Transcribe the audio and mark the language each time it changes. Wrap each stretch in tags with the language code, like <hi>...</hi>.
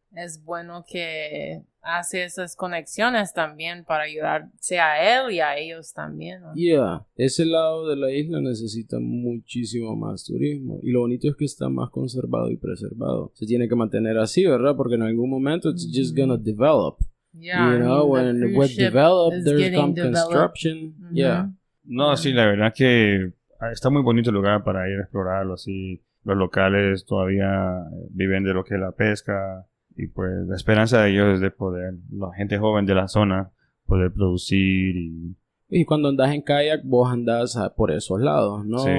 <es>Es bueno que hace esas conexiones también para ayudarse a él y a ellos también, ¿no?</es> <en>Yeah.</en> <es>Ese lado de la isla necesita muchísimo más turismo. Y lo bonito es que está más conservado y preservado. Se tiene que mantener así, ¿verdad? Porque en algún momento</es> <en>it's just gonna develop. Yeah, you know, when we develop, there's some construction. Mm-hmm. Yeah.</en> <es>No, sí, la verdad que está muy bonito el lugar para ir a explorarlo. Sí, los locales todavía viven de lo que es la pesca. Y pues la esperanza de ellos es de poder, la gente joven de la zona, poder producir. Y cuando andas en kayak, vos andas por esos lados, ¿no? Sí.</es>